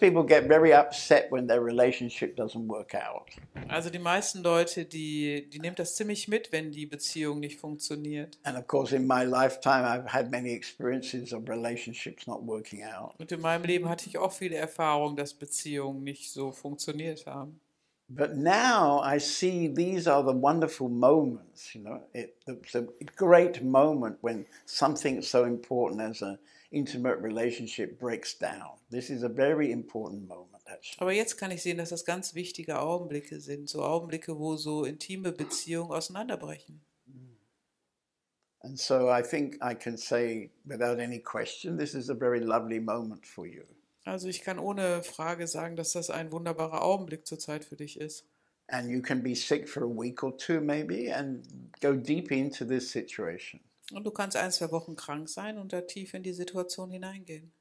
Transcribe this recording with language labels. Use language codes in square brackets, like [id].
[en] people get very upset when their relationship doesn't work out. [de] Also die meisten Leute, die nehmen das ziemlich mit, wenn die Beziehung nicht funktioniert. [en] And of course in my lifetime I've had many experiences of relationships not working out. [de] Und in meinem Leben hatte ich auch viele Erfahrungen, dass Beziehungen nicht so funktioniert haben. [en] But now I see these are the wonderful moments, you know, it's a great moment when something so important as an intimate relationship breaks down. This is a very important moment, actually. [de] Aber jetzt kann ich sehen, dass das ganz wichtige Augenblicke sind, so Augenblicke, wo so intime Beziehungen auseinanderbrechen. [en] And so I think I can say without any question, this is a very lovely moment for you. [de] Also ich kann ohne Frage sagen, dass das ein wunderbarer Augenblick zurzeit für dich ist. [en] And you can be sick for a week or two maybe and go deep into this situation. [de] Und du kannst ein, zwei Wochen krank sein und da tief in die Situation hineingehen.